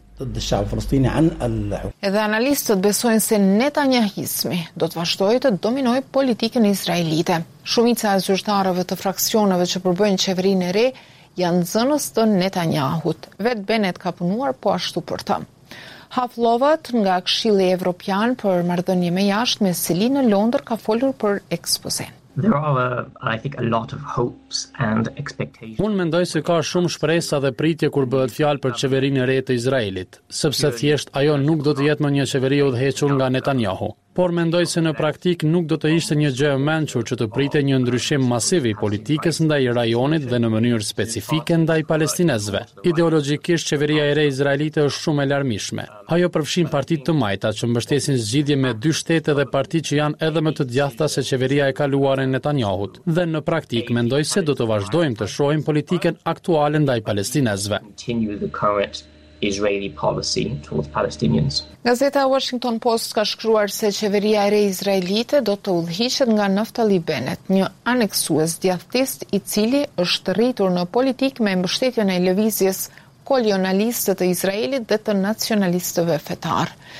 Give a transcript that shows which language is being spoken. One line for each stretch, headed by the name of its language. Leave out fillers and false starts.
Albanian: Edhe analistët besojnë se Netanyahismi do të vazhdojë të dominoj politikën izraelite. Shumica e zyrtarëve të fraksioneve që përbëjnë qeverinë e re janë zënës të Netanyahut. Vetë Bennett ka punuar po ashtu për të. Haflovat nga Këshilli Evropian për marrëdhënie me jashtëme Selin në Londër ka folur për ekspozen.
English: There are, I think, a lot of hopes and expectations.
Albanian: Unë mendoj se ka shumë shpresa dhe pritje kur bëhet fjalë për qeverinë e re të Izraelit, sepse thjesht ajo nuk do të jetë më një qeveri e udhëhequr nga Netanyahu. Por mendoj se në praktik nuk do të ishte një gjë e mençur që të pritej një ndryshim masiv i politikës ndaj rajonit dhe në mënyrë specifike ndaj palestinezëve. Ideologjikisht qeveria e re izraelite është shumë e larmishme. Ajo përfshin partitë të majta që mbështesin zgjidhje me dy shtete dhe parti që janë edhe më të djathta se qeveria e kaluar e Netanyahut. Dhe në praktik mendoj se do të vazhdojmë të shohim politikën aktuale ndaj palestinezëve.
English: Israeli policy towards Palestinians.
Albanian: Gazeta Washington Post ka shkruar se qeveria e re izraelite do të udhëhiqet nga Naftali Bennett, një aneksues djathtist i cili është rritur në politikë me mbështetjen e lëvizjes kolonialistëve të Izraelit dhe të nacionalistëve fetar.